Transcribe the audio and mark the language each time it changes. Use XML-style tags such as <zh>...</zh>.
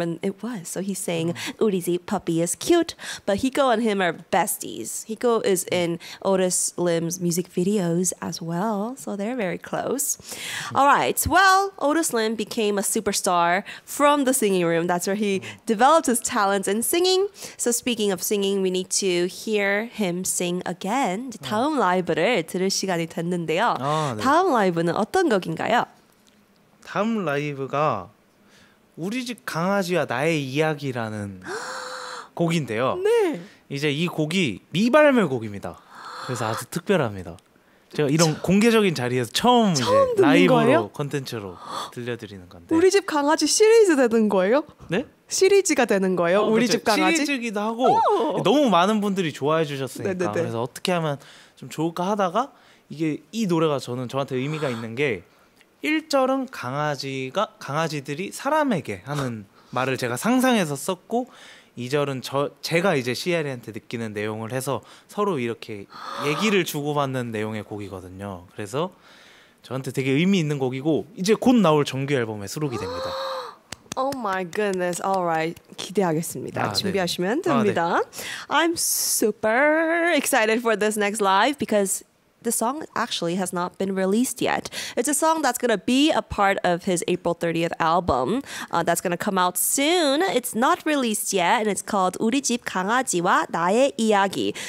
<en>And it was. So he sang, Woorizip puppy is cute. But Hiko and him are besties. Hiko is in Otis Lim's music videos as well. So they're very close. All right. Well, Otis Lim became a superstar from the singing room. That's where he developed his talents in singing. So speaking of singing, we need to hear him sing again.</en> <ko>다음 라이브를 들을 시간이 됐는데요. 아, 네. 다음 라이브는 어떤 곡인가요? 다음 라이브가 우리 집 강아지와 나의 이야기라는 곡인데요. 네. 이제 이 곡이 미발매 곡입니다. 그래서 아주 특별합니다. 제가 이런 공개적인 자리에서 처음 이제 라이브로 콘텐츠로 들려드리는 건데. 우리 집 강아지 시리즈 되는 거예요? 네? 시리즈가 되는 거예요? 우리 집 강아지? 시리즈기도 하고 너무 많은 분들이 좋아해 주셨으니까 네네네. 그래서 어떻게 하면 좀 좋을까 하다가 이게 이 노래가 저한테 의미가 있는 게 1절은 강아지들이 사람에게 하는 말을 제가 상상해서 썼고 2절은 제가 이제 시엘이한테 느끼는 내용을 해서 서로 이렇게 얘기를 주고받는 내용의 곡이거든요. 그래서 저한테 되게 의미 있는 곡이고 이제 곧 나올 정규 앨범에 수록이 됩니다.</ko> <en>Oh my goodness. All right.</en> <ko>기대하겠습니다. 아, 준비하시면 네. 됩니다.</ko> <en>아, 네. I'm super excited for this next live because the song actually has not been released yet. It's a song that's going to be a part of his April 30th album that's going to come out soon. It's not released yet, and it's called 우리 집 강아지와 나의 이야기.</en>